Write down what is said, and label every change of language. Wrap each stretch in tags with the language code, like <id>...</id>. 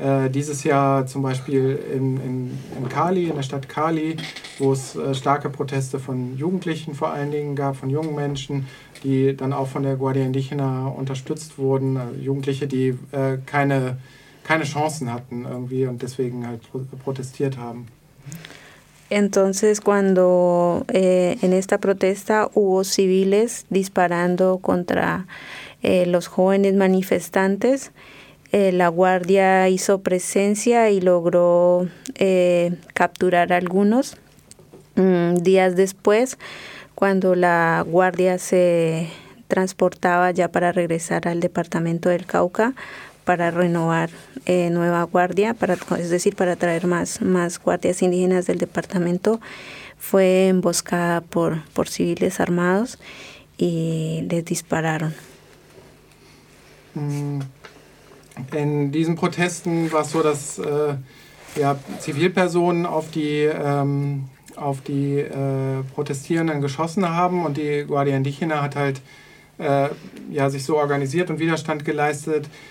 <de>Dieses Jahr zum Beispiel in Cali, in der Stadt Cali, wo es starke Proteste von Jugendlichen vor allen Dingen gab, von jungen Menschen, die dann auch von der Guardia Indígena unterstützt wurden. Also Jugendliche, die keine Chancen hatten irgendwie und deswegen halt protestiert haben.</de> <es>Entonces, cuando en esta protesta hubo civiles disparando contra los jóvenes manifestantes, la guardia hizo presencia y logró capturar algunos. Días después, cuando la guardia se transportaba ya para regresar al departamento del Cauca, para renovar nueva guardia, para traer más guardias indígenas del departamento, fue emboscada por civiles armados y les dispararon.</es> <de>En diesen Protesten war es so, dass Zivilpersonen auf die Protestierenden geschossen haben und die Guardia Indígena hat halt sich so organisiert und Widerstand geleistet.</de>